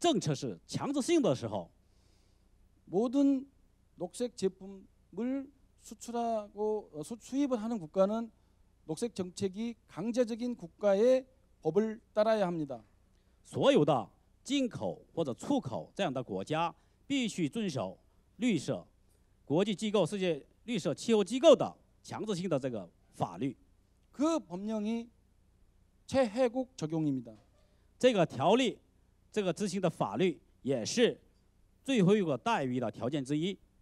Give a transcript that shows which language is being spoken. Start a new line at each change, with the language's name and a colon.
Chinese: 在各个国家绿色这个政策是强制性的时候
Korean: 모든 녹색 제품을 수출하고 수입을 하는 국가는 녹색 정책이 강제적인 국가의 법을 따라야 합니다.
Chinese: 所有的进口或者出口这样的国家必须遵守 绿色国际机构，世界绿色气候机构的强制性的这个法律。
Korean: 그 법령이 최혜국 적용입니다.
Chinese: 这个条例，这个执行的法律也是最后一个待遇的条件之一。